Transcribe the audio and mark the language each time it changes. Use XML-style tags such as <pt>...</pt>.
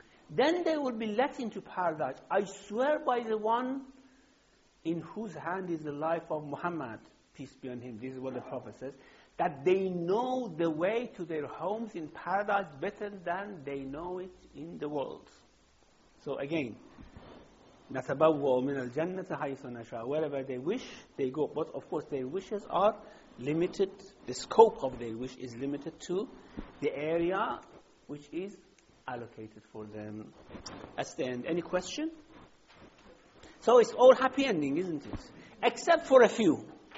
<en>Then they will be let into paradise. I swear by the one in whose hand is the life of Muhammad, peace be on him, this is what the Prophet says, that they know the way to their homes in paradise better than they know it in the world. So again,</en> <ar>نَتَبَوَّوْ مِنَ الْجَنَّةِ حَيْثُ نَشَاءُ.</ar> <en>Wherever they wish, they go. But of course their wishes are limited, the scope of their wish is limited to the area which is allocated for them. That's the end. Any question? So it's all happy ending, isn't it? Except for a few.</en>